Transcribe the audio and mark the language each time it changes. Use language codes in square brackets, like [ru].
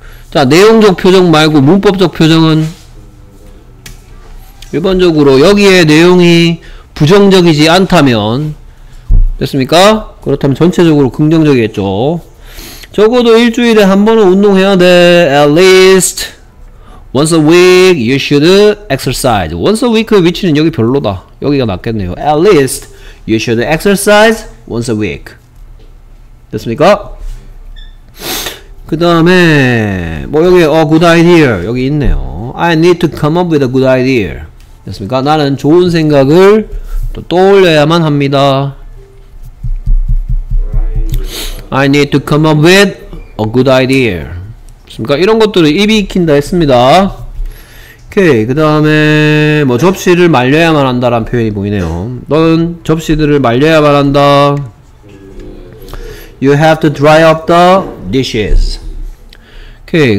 [ko] 자, 내용적 표정 말고 문법적 표정은? 일반적으로 여기에 내용이 부정적이지 않다면. 됐습니까? 그렇다면 전체적으로 긍정적이겠죠. 적어도 일주일에 한 번은 운동해야 돼. [en] At least once a week you should exercise. [ko] once a week의 위치는 여기 별로다. 여기가 낫겠네요. [en] At least you should exercise once a week. [ko] 됐습니까? 그 다음에 뭐 여기 a good idea 여기 있네요. [en] I need to come up with a good idea. [ko] 됐습니까? 나는 좋은 생각을 또 떠올려야만 합니다. [en] I need to come up with a good idea. [ko] 됐습니까? 이런 것들을 입이 익힌다 했습니다. 오케이. 그 다음에 뭐 접시를 말려야만 한다라는 표현이 보이네요. 너는 접시들을 말려야만 한다. [en] You have to dry off the dishes. 오케이.